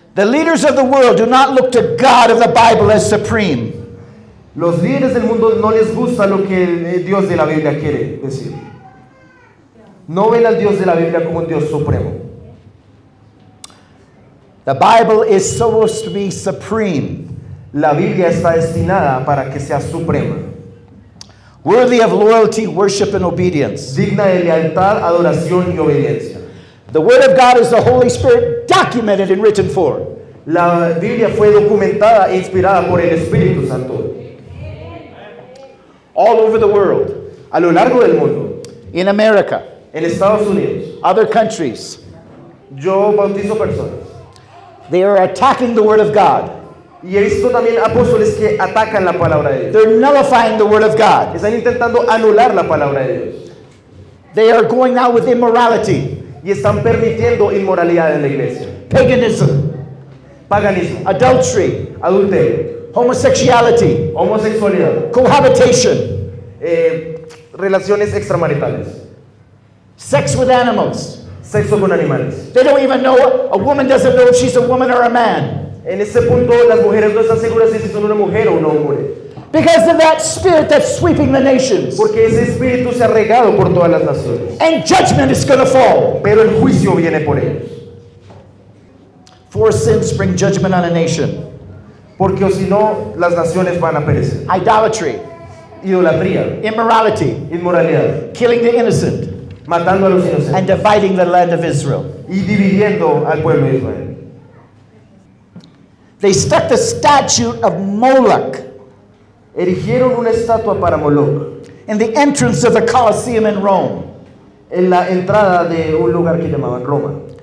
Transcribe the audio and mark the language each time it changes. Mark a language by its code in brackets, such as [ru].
[en] The leaders of the world do not look to God of the Bible as supreme. [es] Los líderes del mundo no les gusta lo que el Dios de la Biblia quiere decir. No ven al Dios de la Biblia como un Dios supremo. [en] The Bible is supposed to be supreme. [es] La Biblia está destinada para que sea suprema. [en] Worthy of loyalty, worship and obedience. [es] Digna de lealtad, adoración y obediencia. [en] The word of God is the Holy Spirit documented in written form. [es] La Biblia fue documentada e inspirada por el Espíritu Santo. [en] All over the world. [es] A lo largo del mundo. [en] In America. [es] En Estados Unidos. [en] Other countries. [es] Yo bautizo personas. [en] They are attacking the word of God. [es] Y he visto también apóstoles que atacan la palabra de Dios. [en] They're nullifying the word of God. [es] Están intentando anular la palabra de Dios. [en] They are going now with immorality. [es] Y están permitiendo inmoralidad en la iglesia. [en] Paganism. [es] Paganismo. [en] Adultery. [es] Adulterio. [en] Homosexuality. [es] Homosexualidad. [en] Cohabitation. [es] Relaciones extramaritales. [en] Sex with animals. [es] Sexo con animales. [en] They don't even know, a woman doesn't know if she's a woman or a man. [es] En ese punto las mujeres no están seguras si son una mujer o un hombre. [en] Because of that spirit that's sweeping the nations. [es] Porque ese espíritu se ha regado por todas las naciones. [en] And judgment is going to fall. [es] Pero el juicio viene por ellos. [en] Four sins bring judgment on a nation. [es] Porque si no, las naciones van a perecer. [en] Idolatry. [es] Idolatría. [en] Immorality. [es] Inmoralidad. [en] Killing the innocent. [es] Matando a los inocentes. [en] And dividing the land of Israel. [es] Y dividiendo al pueblo de Israel. [en] They stuck the statue of Moloch. [es] Erigieron una estatua para Moloch. [en] In the entrance of the Colosseum in Rome. [es] En la entrada de un lugar que llamaban Roma.